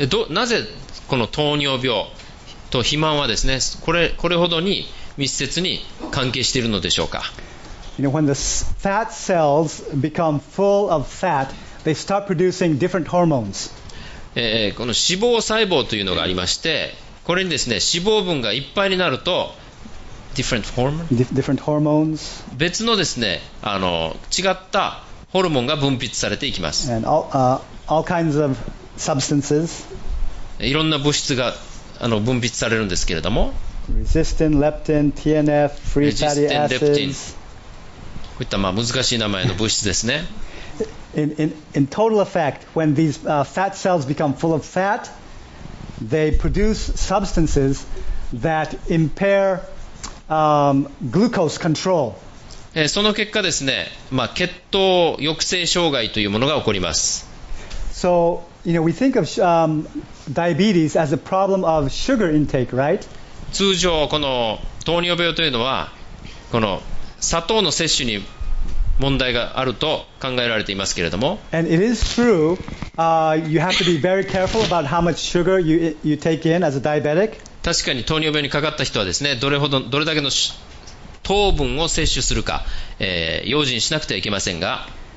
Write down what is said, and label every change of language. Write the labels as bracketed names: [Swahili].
[Japanese] なぜこの糖尿病と肥満はですね、これほどに密接に関係しているのでしょうか。 [English] You know, when the fat cells become full of fat, they start producing different hormones. [Japanese] この脂肪細胞というのがありまして、これにですね、脂肪分がいっぱいになると [English] different hormones. [Japanese] 別のですね、あの違ったホルモンが分泌されていきます。 [English] And all kinds of substances. [Japanese] いろんな物質が分泌されるんですけれども、 [English] resistin, leptin, TNF, free fatty acids. [Japanese] レプティン、こういったまあ難しい名前の物質ですね。 [English] in total effect, when these fat cells become full of fat, they produce substances that impair glucose control. [Japanese] その結果ですね、まあ、血糖抑制障害というものが起こります。 [English] So, you know, we think of diabetes as a problem of sugar intake, right? [Japanese] 通常この糖尿病というのはこの砂糖の摂取に問題があると考えられていますけれども、 [English] And it is true, you have to be very careful about how much sugar you take in as a diabetic. [Japanese] 確かに糖尿病にかかった人はですね、どれだけの糖分を摂取するか、用心しなくてはいけませんが、